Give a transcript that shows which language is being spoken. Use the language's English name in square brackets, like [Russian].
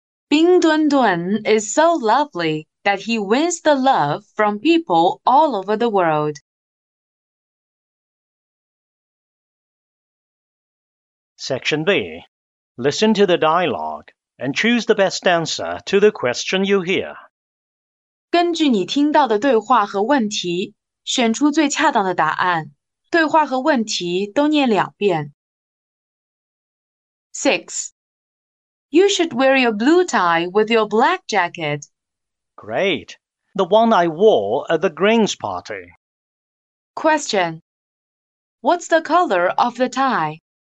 [English] Bing Dun Dun is so lovely that he wins the love from people all over the world. 6. B. Listen to the dialogue and choose the best answer to the question you hear. [Chinese] 根据你听到的对话和问题，选出最恰当的答案，对话和问题都念两遍。 [English] 6. You should wear your blue tie with your black jacket. Great. The one I wore at the Greens party. Question. What's the color of the tie?